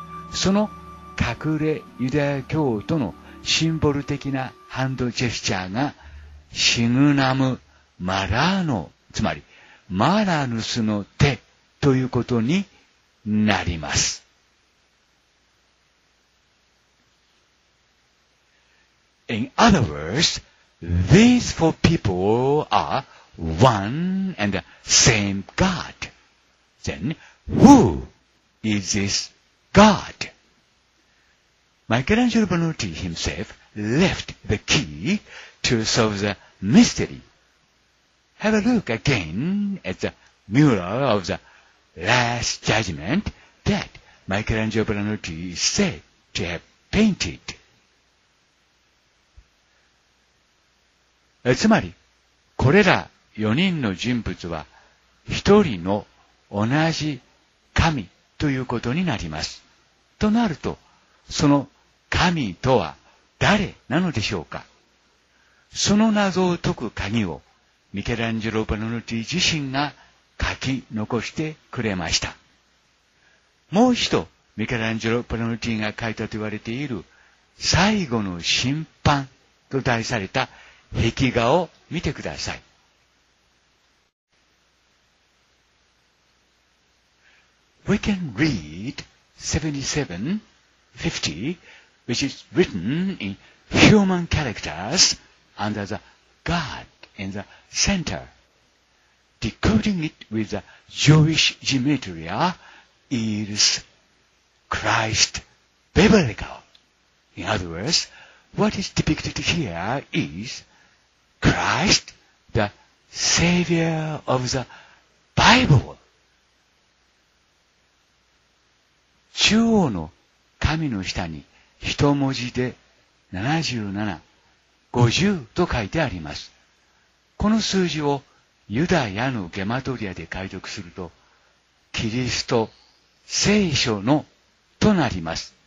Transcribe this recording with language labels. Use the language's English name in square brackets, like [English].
[Japanese] その隠れユダヤ教徒のシンボル的なハンドジェスチャーがシグナムマラーノ、つまりマラヌスの手ということになります。 [English] In other words, these four people are one and the same God. Then, who is this God? Michelangelo Bonotti himself left the key to solve the mystery. Have a look again at the mural of the Last Judgment that Michelangelo Bonotti is said to have painted. [Japanese] つまり、これら4人の人物は一人の同じ神ということになります。となると、その神とは誰なのでしょうか。その謎を解く鍵をミケランジェロ・ボナノティ自身が書き残してくれました。もう一度、ミケランジェロ・ボナノティが書いたと言われている最後の審判と題された壁画を見てください。 [English] We can read 77:50, which is written in human characters under the God in the center. Decoding it with the Jewish gematria is Christ biblical. In other words, what is depicted here isChrist, the Savior of the Bible. [Japanese] 中央の紙の下に一文字で77:50と書いてあります。この数字をユダヤのゲマトリアで解読すると、キリスト、聖書のとなります。